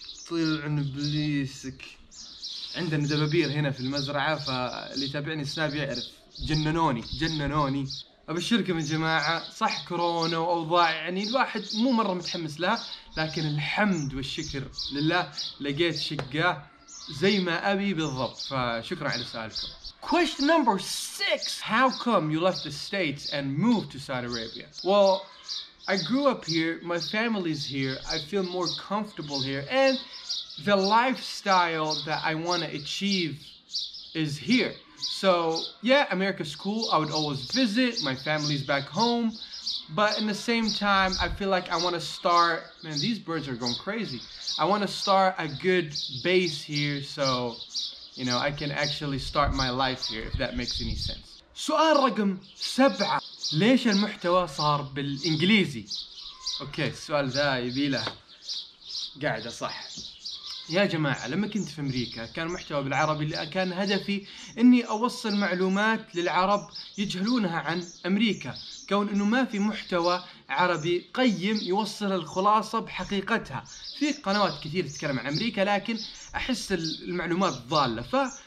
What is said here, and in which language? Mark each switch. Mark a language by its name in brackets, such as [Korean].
[Arabic] طير عن بليسك عندنا دبابير هنا في المزرعة فاللي تابعني سناب يعرف جننوني أبشركم يا جماعة صح كورونا وأوضاع يعني الواحد مو مرة متحمس لها لكن الحمد والشكر لله لقيت شقة زي ما أبي بالضبط فشكرا على سؤالكم [English] Question number six How come you left the States and moved to Saudi Arabia? Well, I grew up here, my family's here, I feel more comfortable here, and the lifestyle that I want to achieve is here. So, yeah, America's cool, I would always visit, my family's back home, but in the same time, I feel like I want to start, man, these birds are going crazy. I want to start a good base here, so, you know, I can actually start my life here, if that makes any sense. [Arabic] سؤال رقم سبعة ليش المحتوى صار بالإنجليزي؟ أوكي السؤال ذا يبيله قاعدة صح يا جماعة لما كنت في أمريكا كان محتوى بالعربي اللي كان هدفي أني أوصل معلومات للعرب يجهلونها عن أمريكا كون أنه ما في محتوى عربي قيم يوصل الخلاصة بحقيقتها في قنوات كثير تتكلم عن أمريكا لكن أحس المعلومات ضالة